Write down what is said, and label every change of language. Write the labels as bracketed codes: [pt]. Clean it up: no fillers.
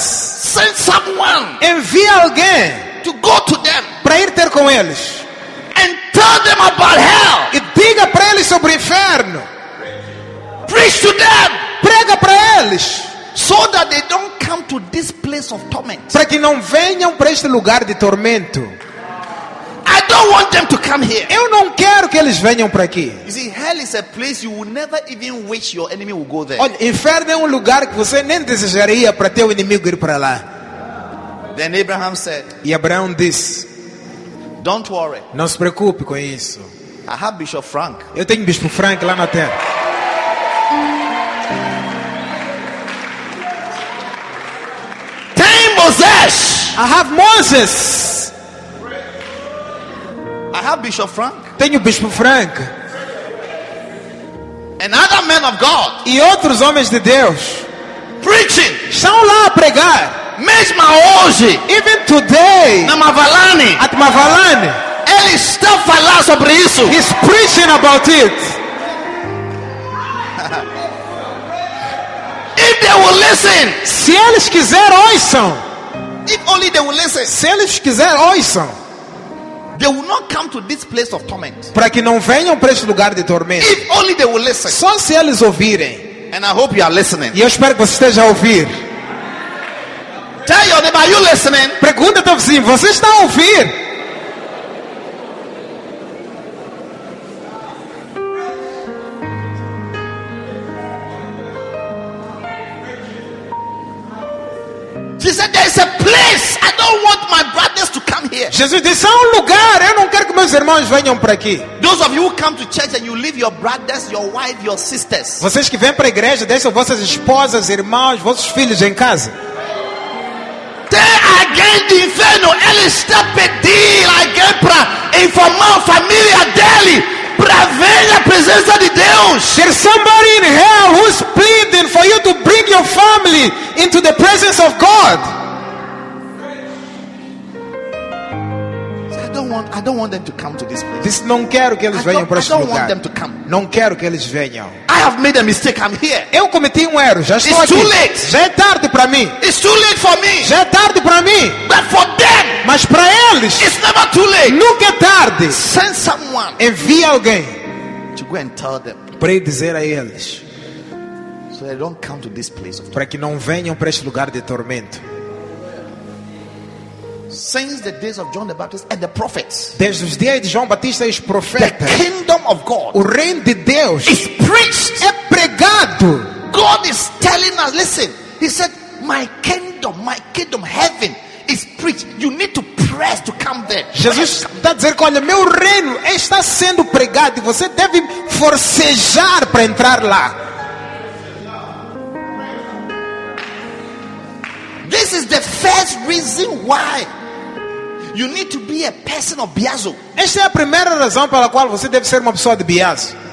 [en] Send someone. [pt] Envie alguém. [en] To go to them. [pt] Para ir ter com eles. [en] And tell them about hell. [pt] E diga para eles sobre o inferno. [en] Preach to them. [pt] Prega para eles. [en] So that they don't come to this place of torment. [pt] Para que não venham para este lugar de tormento. [en] I don't want them to come here. [pt] Eu não quero que eles venham para aqui. [en] You see, hell is a place you will never even wish your enemy will go there. [pt] Olha, inferno é lugar que você nem desejaria para teu inimigo ir para lá. [en] Then Abraham said. [pt] E Abraão disse. [en] Don't worry. [pt] Não se preocupe com isso. [en] I have Bishop Frank. [pt] Eu tenho Bispo Frank lá na terra. Tem Moses. [en] I have Moses. I have Bishop Frank. [pt] Tenho Bispo Frank. [en] Another man of God. [pt] E outros homens de Deus. [en] Preaching. [pt] Estão lá a pregar. Mesmo hoje, [en] even today, [pt] na Mavalani, [en] at Mavalani, [pt] ele está falando sobre isso. [en] He's preaching about it. If they will listen, [pt] se eles quiser ouçam. [en] If only they will listen, [pt] se eles quiser ouçam. [en] They will not come to this place of torment. [pt] Para que não venham para este lugar de tormento. [en] If only they will listen, [pt] só se eles ouvirem. [en] And I hope you are listening. [pt] E eu espero que você esteja a ouvir. [en] Tell your neighbor, are you listening? [pt] Pergunta teu vizinho, você está a ouvir? [en] She said, there is a place. I don't want my brothers to come here. [pt] Jesus disse, há lugar. Eu não quero que meus irmãos venham para aqui. [en] Those of you who come to church and you leave your brothers, your wife, your sisters. [pt] Vocês que vêm para a igreja, deixam vossas esposas, irmãos, vossos filhos em casa. Alguém do inferno, ele está pedindo alguém para informar a família dele para ver a presença de Deus. [en] There's somebody in hell who's pleading for you to bring your family into the presence of God. I don't want them to come to this place. [pt] Não quero que eles venham para este lugar. [en] I don't want them to come. [pt] Não quero que eles venham. [en] I have made a mistake. I'm here. [pt] Eu cometi erro. Já estou [en] It's [pt] aqui. [en] Too late. [pt] Já é tarde para mim. [en] It's too late for me. [pt] Já é tarde para mim. [en] But for them. [pt] Mas para eles. [en] It's never too late. [pt] Nunca é tarde. [en] Send someone. [pt] Envie alguém. [en] To go and tell them. [pt] Para ir dizer a eles. [en] So they don't come to this place. [pt] Para que não venham para este lugar de tormento. [en] Since the days of John the Baptist and the prophets. [pt] Desde os dias de João Batista e os profetas. [en] The kingdom of God. [pt] O reino de Deus. [en] Is preached. [pt] É pregado. [en] God is telling us, listen. He said, my kingdom, heaven is preached. You need to press to come there. [pt] Jesus está dizendo, olha, meu reino está sendo pregado e você deve forcejar para entrar lá. [en] This is the first reason why you need to be a person of Biazo. [pt] Esta é a primeira razão pela qual você deve ser uma pessoa de Biazo.